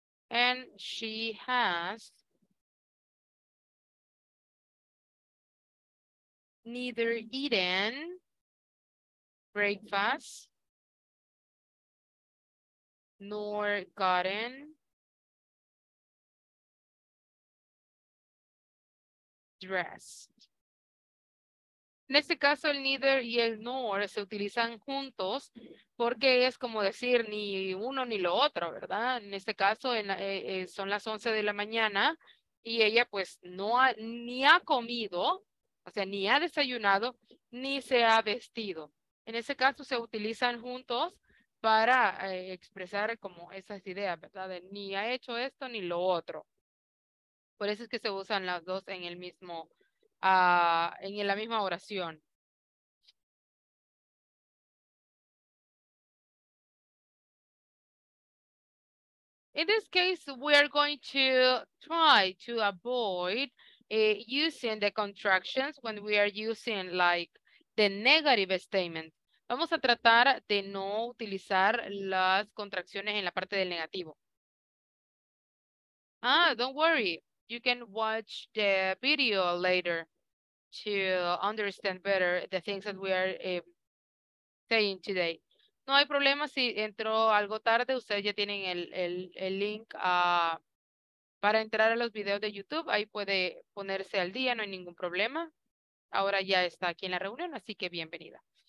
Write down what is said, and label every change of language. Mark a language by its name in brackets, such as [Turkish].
[English] And she has neither eaten breakfast nor gotten dressed. [Spanish] En este caso, el neither y el nor se utilizan juntos porque es como decir ni uno ni lo otro, ¿verdad? En este caso, son las 11 de la mañana y ella pues ni ha comido, o sea, ni ha desayunado, ni se ha vestido. En ese caso, se utilizan juntos para expresar como esas ideas, ¿verdad? De ni ha hecho esto ni lo otro. Por eso es que se usan las dos en el mismo en la misma oración. [English] In this case, we are going to try to avoid using the contractions when we are using like the negative statement. [Spanish] Vamos a tratar de no utilizar las contracciones en la parte del negativo. [English] Ah, don't worry. You can watch the video later to understand better the things that we are saying today. [Spanish] No hay problema si entró algo tarde. Ustedes ya tienen el link para entrar a los videos de YouTube. Ahí puede ponerse al día, no hay ningún problema. Ahora ya está aquí en la reunión, así que bienvenida.